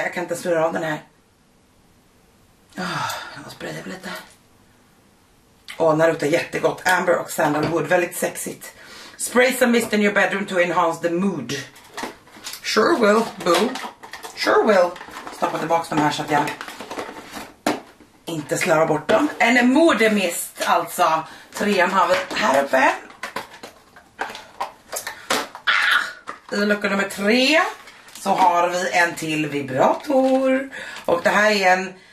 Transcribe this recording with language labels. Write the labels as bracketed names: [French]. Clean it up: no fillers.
[Swedish] Jag kan inte snurra av den här. Jag sprayar lite. Åh, den här luktar jättegott. Amber och sandalwood. Väldigt sexigt. [English] Spray some mist in your bedroom to enhance the mood. Sure will, boo. Sure will. [Swedish] Stoppa tillbaka de här så att jag inte slarvar bort dem. En mood mist, alltså. Trean har vi här uppe. I lucka nummer tre så har vi en till vibrator. Och det här är en